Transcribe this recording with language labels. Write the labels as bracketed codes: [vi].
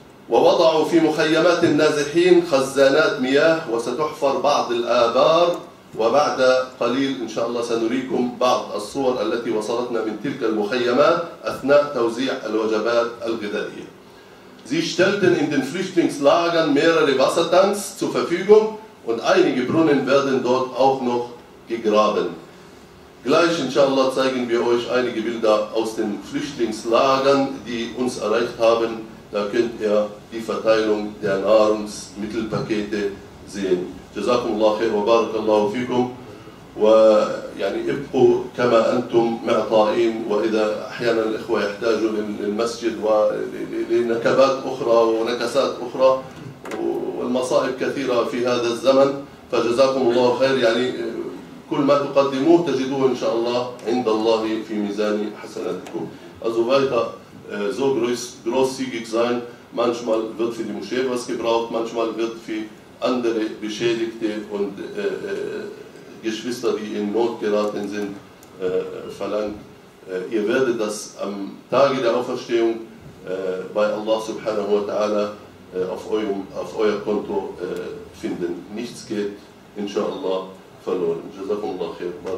[ar] ووضعوا في مخيمات النازحين خزانات مياه وستحفر بعض الآبار وبعد قليل إن شاء الله سنريكم بعض الصور التي وصلتنا من تلك المخيمات أثناء توزيع الوجبات الغذائية. [de] Sie stellten in den Flüchtlingslagern mehrere Wassertanks zur Verfügung, und einige Brunnen werden dort auch noch gegraben. Gleich, inshallah, zeigen wir euch einige Bilder aus den Flüchtlingslagern, die uns erreicht haben. Da könnt ihr die Verteilung der Nahrungsmittelpakete sehen. [ar] Jazakumullah khair wa barakallahu fikum. ويعني ابقوا كما أنتم معطائين. وإذا أحيانا الإخوة يحتاجوا للمسجد ولنكبات أخرى ونكسات أخرى والمصائب كثيرة في هذا الزمن, فجزاكم الله خير. يعني كل ما تقدموه تجدوه إن شاء الله عند الله في ميزان حسناتكم. [de] Also weiter so großzügig sein. Manchmal wird für die Moschee was gebraucht, manchmal wird für andere beschädigte und Geschwister, die in Not geraten sind, verlangt. Ihr werdet das am Tage der Auferstehung bei Allah subhanahu wa ta'ala auf euer Konto finden. Nichts geht, inshallah, verloren. Jazakumullah khair.